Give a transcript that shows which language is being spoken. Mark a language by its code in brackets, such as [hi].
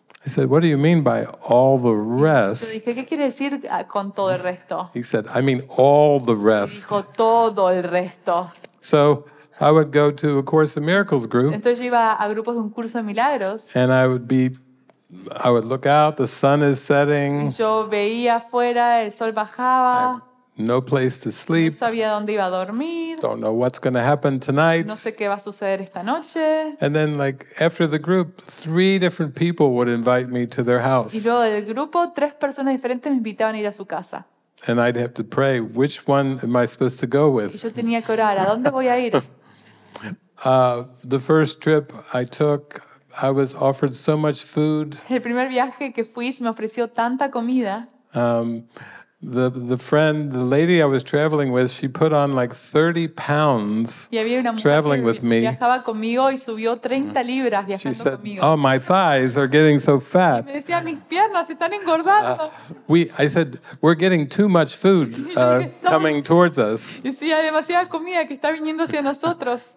[en] I said, what do you mean by all the rest? [es] Yo dije, ¿qué quieres decir con todo el resto? [en] He said, I mean all the rest. [es] Dijo, todo el resto. [en] So I would go to a Course in Miracles group. [es] Entonces yo iba a grupos de un curso de milagros. [en] And I would look out, the sun is setting. [es] Yo veía afuera, el sol bajaba. [en] No place to sleep. [es] No sabía dónde iba a dormir. [en] Don't know what's going to happen tonight. [es] No sé qué va a suceder esta noche. [en] And then, like after the group, 3 different people would invite me to their house. [es] Y luego del grupo, 3 personas diferentes me invitaban a ir a su casa. [en] And I'd have to pray, which one am I supposed to go with? [es] Y yo tenía que orar, ¿a dónde voy a ir? [en] The first trip I took, I was offered so much food. [es] El primer viaje que fui, se me ofreció tanta comida. [en] The friend, the lady I was traveling with, she put on like 30 pounds traveling with me. [es] Viajaba conmigo y subió 30 libras viajando [en] she said, [es] conmigo. [en] Oh, my thighs are getting so fat. [es] Me decía, mis piernas están engordando. [en] I said, we're getting too much food coming towards us. [es] Y sí, hay demasiada comida que está viniendo hacia nosotros.